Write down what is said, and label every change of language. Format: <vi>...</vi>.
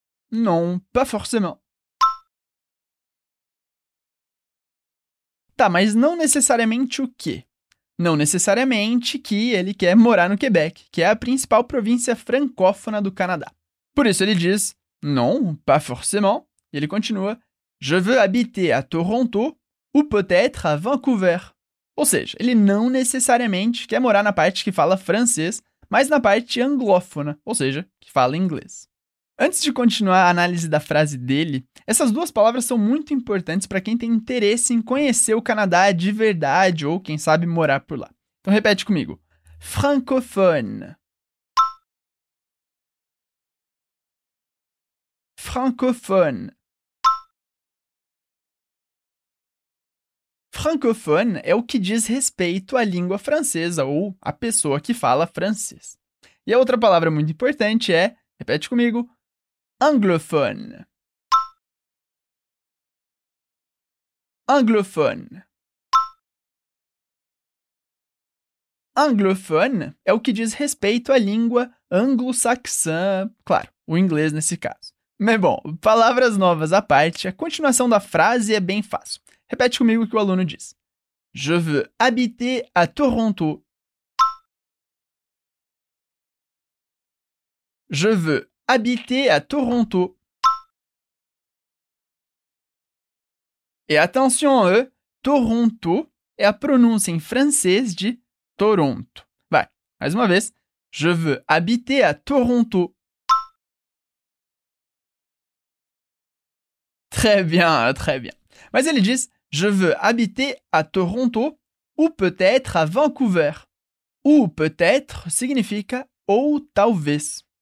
<fr>Non, pas forcément.</fr> <pt>Tá, mas não necessariamente o quê? Não necessariamente que ele quer morar no Quebec, que é a principal província francófona do Canadá. Por isso ele diz,</pt> <fr>non, pas forcément.</fr> <pt>E ele continua,</pt> <fr>je veux habiter à Toronto ou peut-être à Vancouver.</fr> <pt>Ou seja, ele não necessariamente quer morar na parte que fala francês, mas na parte anglófona, ou seja, que fala inglês. Antes de continuar a análise da frase dele, essas duas palavras são muito importantes para quem tem interesse em conhecer o Canadá de verdade ou, quem sabe, morar por lá. Então, repete comigo.</pt> <fr>Francophone. Francophone.</fr> <pt>Francophone é o que diz respeito à língua francesa ou à pessoa que fala francês. E a outra palavra muito importante é, repete comigo,</pt> <fr>Anglophone. Anglophone.</fr> <pt>Anglophone é o que diz respeito à língua anglo-saxã, claro, o inglês nesse caso. Mas bom, palavras novas à parte, a continuação da frase é bem fácil. Repete comigo o que o aluno diz.</pt> <fr>Je veux habiter à Toronto. Je veux habiter à Toronto. Et attention,</fr> <pt>Toronto é a pronúncia em francês de Toronto. Vai, mais uma vez.</pt> <fr>Je veux habiter à Toronto. Très bien, très bien.</fr> <pt>Mas ele diz,</pt> <fr>je veux habiter à Toronto ou peut-être à Vancouver. Ou peut-être</fr> <pt>significa ou talvez.</pt>